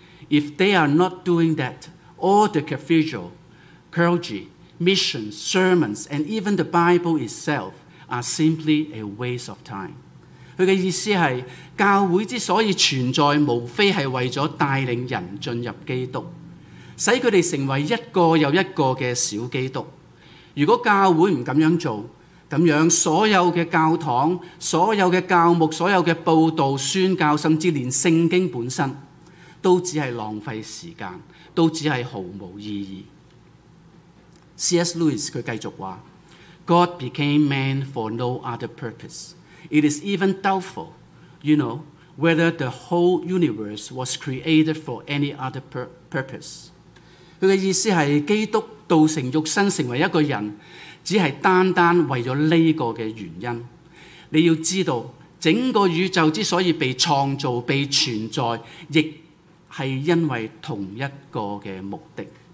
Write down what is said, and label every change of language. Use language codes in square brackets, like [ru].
[en] If they are not doing that, all the cathedralClergy, missions, sermons, and even the Bible itself are simply a waste of time. [zh] 他的意思是，教会之所以存在，无非是为了带领人进入基督，使他们成为一个又一个的小基督。如果教会不这样做，这样所有的教堂、所有的教牧、所有的报道、宣教，甚至连圣经本身，都只是浪费时间，都只是毫无意义。 [en] C.S. Lewis [zh] 他继续说， [en] God became man for no other purpose. It is even doubtful, you know, whether the whole universe was created for any other purpose. [zh] 他的意思是，基督道成肉身成为一个人，只是单单为了这个的原因。你要知道，整个宇宙之所以被创造、被存在，亦是因为同一个的目的。